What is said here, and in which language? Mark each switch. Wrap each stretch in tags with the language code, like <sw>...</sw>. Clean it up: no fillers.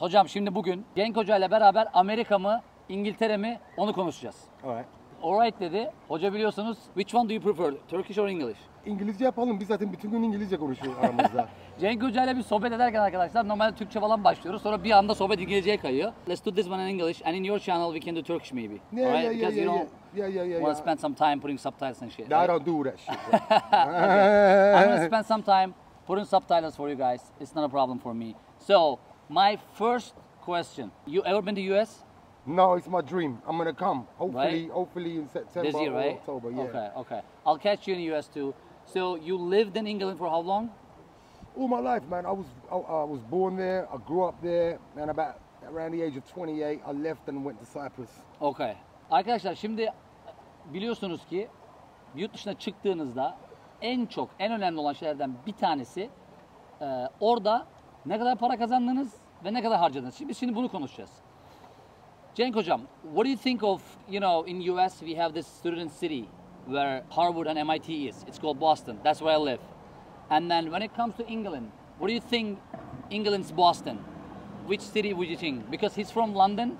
<tr>Hocam şimdi bugün Cenk Hoca ile beraber Amerika mı, İngiltere mi onu konuşacağız.</tr> <en>Alright. Alright</en> <tr>dedi. Hoca biliyorsunuz.</tr> <en>Which one do you prefer? Turkish or English?</en> <tr>İngilizce yapalım. Biz zaten bütün gün İngilizce konuşuyoruz aramızda. Cenk Hoca ile bir sohbet ederken arkadaşlar normalde Türkçe falan başlıyoruz. Sonra bir anda sohbet İngilizceye kayıyor.</tr> <en>Let's do this one in English and in your channel we can do Turkish maybe. Yeah, right? Because you don't want to spend some time putting subtitles and shit. I don't do that shit. Okay. I'm going to spend some time putting subtitles for you guys. It's not a problem for me. So, my first question. You ever been to US? No, it's my dream. I'm going to come. Hopefully in September this year, or right? October. Yeah. Okay. I'll catch you in the US too. So, you lived in England for how long? All my life, man. I was born there. I grew up there. And about around the age of 28, I left and went to Cyprus. Okay.</en> <tr>Arkadaşlar şimdi biliyorsunuz ki yurt dışına çıktığınızda en çok, en önemli olan şeylerden bir tanesi orada ne kadar para kazandınız ve ne kadar harcadınız. Şimdi bunu konuşacağız.</tr> <en>Cenk Hocam, what do you think of, you know, in US we have this student city where Harvard and MIT is. It's called Boston. That's where I live. And then when it comes to England, what do you think England's Boston? Which city would you think? Because he's from London.</en>